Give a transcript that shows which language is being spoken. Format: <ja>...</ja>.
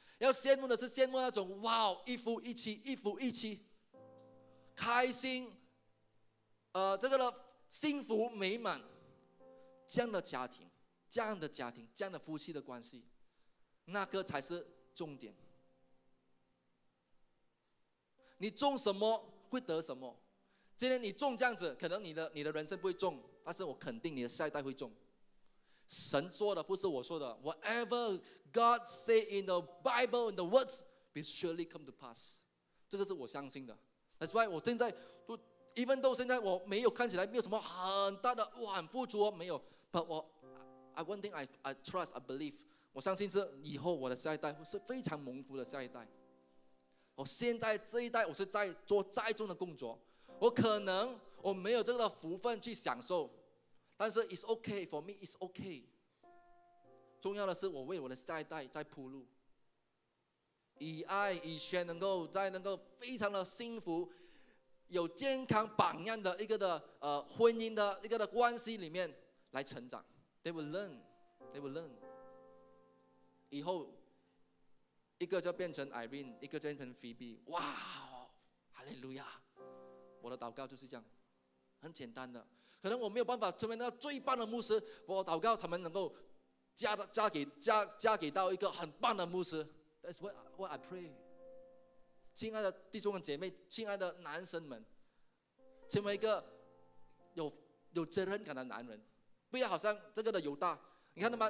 <zh>要羡慕的是羡慕那种哇，一夫一妻，一夫一妻，开心，这个的幸福美满，这样的家庭，这样的家庭，这样的夫妻的关系，那个才是重点。你种什么会得什么。今天你种这样子，可能你的人生不会种，但是我肯定你的下一代会种。神做的不是我说的，</zh> <en>whatever God say in the Bible in the words will surely come to pass，</en> <zh>这个是我相信的。</zh> <en>That's why</en> <zh>我现在</zh> <en>even though</en> <zh>现在我没有看起来没有什么很大的哇很富足哦，没有， but 我</zh> <en>one thing I trust I believe，</en> <zh>我相信是以后我的下一代是非常蒙福的下一代。我现在这一代我是在做栽种的工作，我可能我没有这个福分去享受，但是</zh> <en>it's okay for me， it's okay。</en> <zh>重要的是我为我的下一代在铺路，以爱以宣能够在能够非常的幸福有健康榜样的一个的婚姻的一个的关系里面来成长。</zh> <en>They will learn， they will learn，</en> <zh>以后一个就变成 Irene， 一个就变成 Phoebe， 哇 Hallelujah。我的祷告就是这样，很简单的，可能我没有办法成为那最棒的牧师，我祷告他们能够 嫁给到一个很棒的牧师。</zh> <en>That's what I pray。</en> <zh>亲爱的弟兄姐妹，亲爱的男生们，成为一个 有责任感的男人，不要好像这个的犹大。你看到吗？</zh>